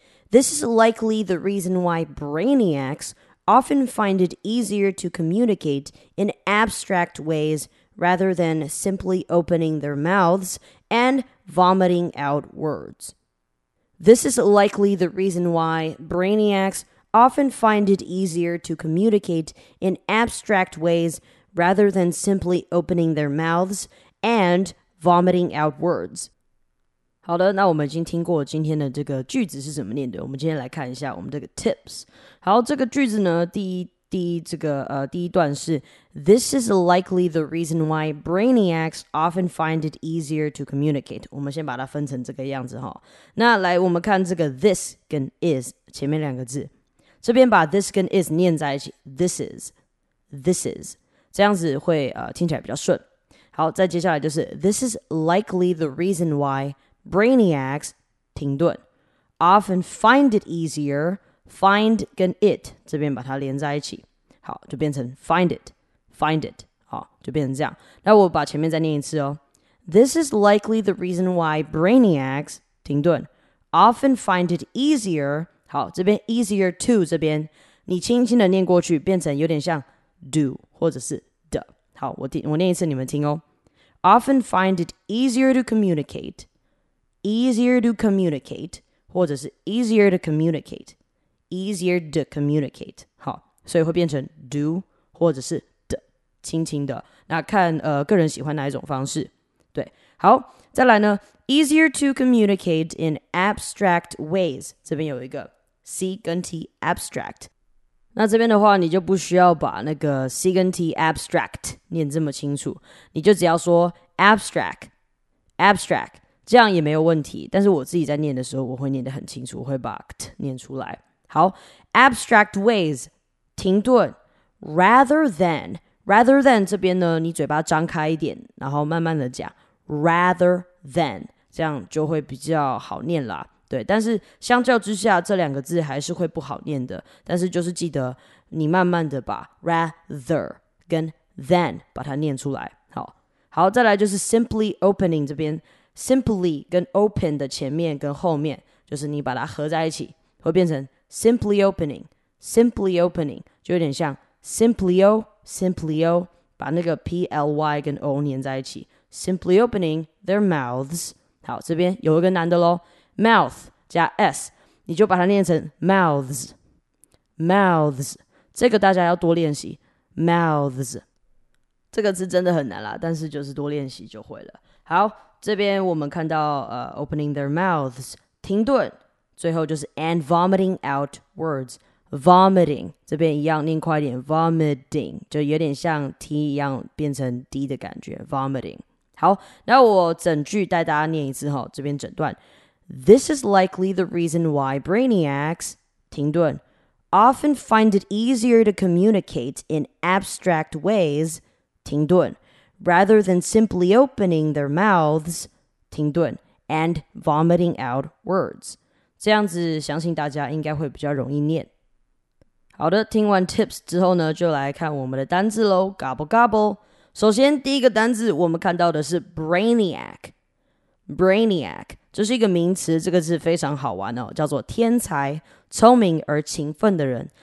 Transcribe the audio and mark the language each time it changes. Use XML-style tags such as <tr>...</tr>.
<en>This is likely the reason why brainiacs often find it easier to communicate in abstract ways rather than simply opening their mouths and vomiting out words. This is likely the reason why brainiacs often find it easier to communicate in abstract ways rather than simply opening their mouths and vomiting out words.</en> <zh>好的，那我们已经听过今天的这个句子是怎么念的。我们今天来看一下我们这个 tips。好，这个句子呢，第一段是</zh> <en>This is likely the reason why brainiacs often find it easier to communicate。</en> <zh>我们先把它分成这个样子哈。那来，我们看这个 this 跟 is 前面两个字，这边把 this 跟 is 念在一起 ，this is 这样子会听起来比较顺。</zh> <en>好，再接下来就是 This is likely the reason why brainiacs 停顿 often find it easier find 跟 it</en> <zh>这边把它连在一起，好，就变成</zh> <en>find it 好，就变成这样。</en> <zh>那我把前面再念一次哦。</zh> <en>This is likely the reason why brainiacs 停顿 often find it easier 好，这边 easier to</en> <zh>这边你轻轻的念过去，变成有点像</zh> <en>do 或者是 the。</en> <zh>好，我念一次，你们听哦。</zh> <en>Often find it easier to communicate, 或者是 easier to communicate.</en> <zh>好，所以会变成 do 或者是 the 轻轻的，那看个人喜欢哪一种方式。对，好，再来呢</zh> <en>，easier to communicate in abstract ways.</en> <zh>这边有一个 c 跟 t abstract。那这边的话，你就不需要把那个 c 跟 t abstract 念这么清楚，你就只要说 abstract， 这样也没有问题。但是我自己在念的时候，我会念得很清楚，我会把 t 念出来。好 ，abstract ways， 停顿 ，rather than 这边呢，你嘴巴张开一点，然后慢慢的讲 rather than， 这样就会比较好念啦。对，但是相较之下，这两个字还是会不好念的。但是就是记得你慢慢的把 rather 跟 than 把它念出来。好，好，再来就是 simply opening 这边 ，simply 跟 open 的前面跟后面，就是你把它合在一起，会变成 simply opening。 simply opening 就有点像 simply o， 把那个 p l y 跟 o 粘在一起 ，</zh> <en>simply opening their mouths。</en> <zh>好，这边有一个难的喽。 Mouth 加 s， 你就把它念成 mouths， 这个大家要多练习。 mouths 这个字真的很难啦，但是就是多练习就会了。好，这边我们看到opening their mouths， 停顿，最后就是</zh> <en>and vomiting out words。</en> <zh>vomiting 这边一样念快一点 ，vomiting 就有点像 t 一样变成 d 的感觉。 vomiting 好，那我整句带大家念一次哈，这边整段。</zh> <en>This is likely the reason why brainiacs 停顿 often find it easier to communicate in abstract ways 停顿 rather than simply opening their mouths 停顿 and vomiting out words.</en> <zh>这样子相信大家应该会比较容易念。好的，听完 tips 之后呢，就来看我们的单字咯。</zh> <en>Gobble gobble.</en> <zh>首先第一个单字我们看到的是 Brainiac。 Brainiac, 这是一个名词，这个字非常好玩哦，叫做天才、聪明而勤奋的人。</zh>